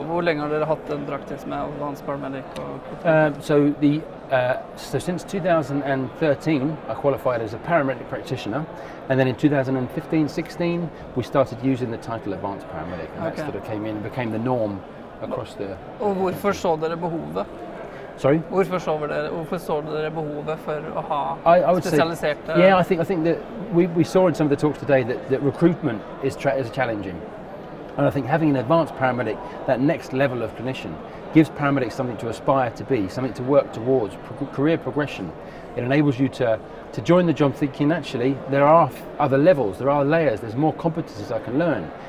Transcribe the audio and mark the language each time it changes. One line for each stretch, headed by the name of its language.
Norwegian: Hvor lenge har dere hatt en praksis med advanced paramedic?
English: So since 2013, I qualified as a paramedic practitioner, and then in 2015-16, we started using the title advanced paramedic, and that sort of came in and became the norm across the...
Norwegian: Og hvorfor så dere behovet?
English: Sorry?
Norwegian: Hvorfor så dere behovet for å ha spesialiserte...
English: Say, yeah, I think that we saw in some of the talks today that recruitment is challenging. And I think having an advanced paramedic, that next level of clinician, gives paramedics something to aspire to be, something to work towards, career progression. It enables you to join the job thinking, actually, there are other levels, there are layers, there's more competencies I can learn.